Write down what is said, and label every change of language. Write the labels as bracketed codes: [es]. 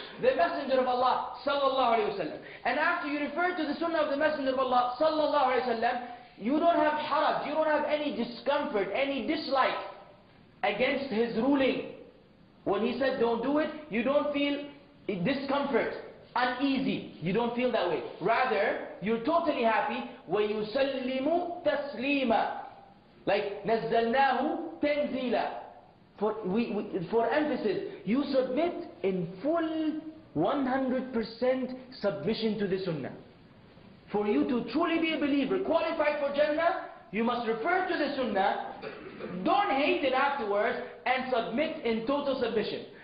[en] The Messenger of Allah, sallallahu alaihi wasallam. And after you refer to the sunnah of the Messenger of Allah, sallallahu alaihi wasallam, you don't have haraj, you don't have any discomfort, any dislike against his ruling. When he said don't do it, you don't feel discomfort, uneasy. You don't feel that way. Rather, you're totally happy. [ar] وَيُسَلِّمُ تَسْلِيمًا. Like, نَزَّلْنَاهُ تَنْزِيلًا. [en] For emphasis, you submit in full 100% submission to the sunnah. For you to truly be a believer, qualified for Jannah, you must refer to the sunnah, don't hate it afterwards, and submit in total submission.